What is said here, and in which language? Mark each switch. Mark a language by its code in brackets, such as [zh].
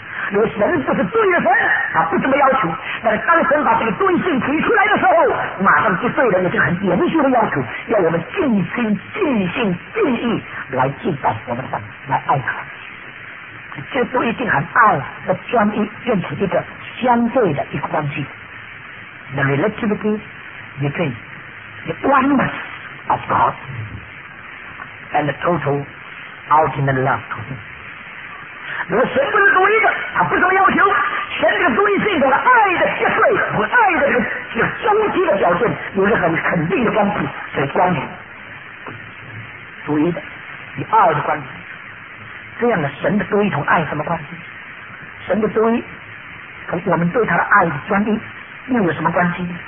[zh] 如果神不是独一的神，他不这么要求。但是当神把这个独一性提出来的时候，马上就对人有这个很严肃的要求，要我们尽心尽性尽意来敬拜我们的神，来爱他。这独一性很爱的专一变成一个相对的一个关系。 [en] The relativity between the oneness of God and the total ultimate love to Him. [zh] 如果神不是独一的，他不怎么要求，神这个独一性的爱的结合和爱的这个终极的表现，有着很肯定的关系，所以关联独一的与爱的关系。这样的神的独一同爱什么关系？神的独一和我们对他的爱的专一又有什么关系？